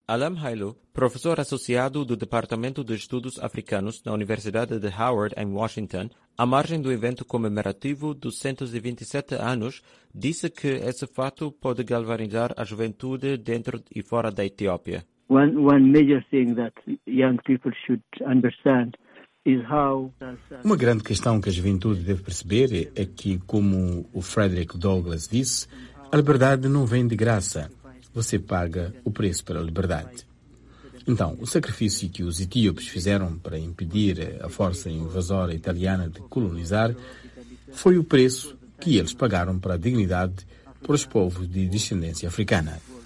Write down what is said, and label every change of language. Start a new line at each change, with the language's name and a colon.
Portuguese: Alam Hailu, professor associado do Departamento de Estudos Africanos na Universidade de Howard, em Washington, à margem do evento comemorativo dos 127 anos, disse que esse fato pode galvanizar a juventude dentro e fora da Etiópia.
English: One major thing that young people should understand.
Portuguese: Uma grande questão que a juventude deve perceber é que, como o Frederick Douglass disse, a liberdade não vem de graça. Você paga o preço pela liberdade. Então, o sacrifício que os etíopes fizeram para impedir a força invasora italiana de colonizar foi o preço que eles pagaram para a dignidade para os povos de descendência africana.